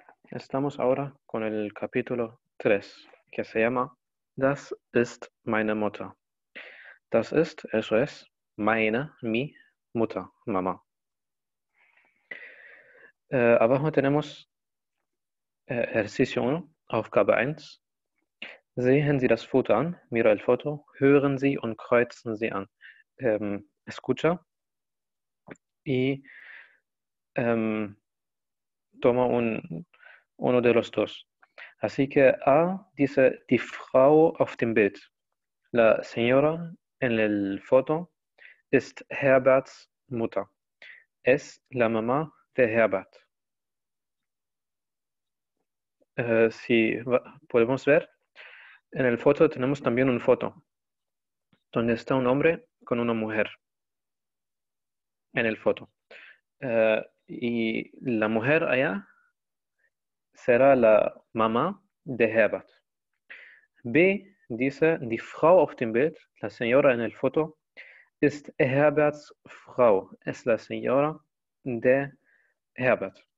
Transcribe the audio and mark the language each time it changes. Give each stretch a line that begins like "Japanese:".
Spanish: Estamos ahora con el capítulo 3, que se llama
German: Das ist meine Mutter. Das ist,
Spanish: eso es,
German: meine, mi, Mutter, Mama.
Spanish: Abajo tenemos Ejercicio 1, Aufgabe 1.
German: Sehen Sie das Foto an,
Spanish: mira el foto,
German: hören Sie und kreuzen Sie an.
Spanish: Escucha y toma un. Uno de los dos. Así que A dice
German: die Frau auf dem Bild.
Spanish: La señora en el foto
German: ist Herberts Mutter.
Spanish: Es la mamá de Herbert. Si podemos ver, en el foto tenemos también un foto donde está un hombre con una mujer en el foto. Y la mujer allá será la mamá de Herbert. B dice,
German: die Frau auf dem Bild,
Spanish: la señora en el foto,
German: ist Herberts Frau,
Spanish: es la señora de Herbert.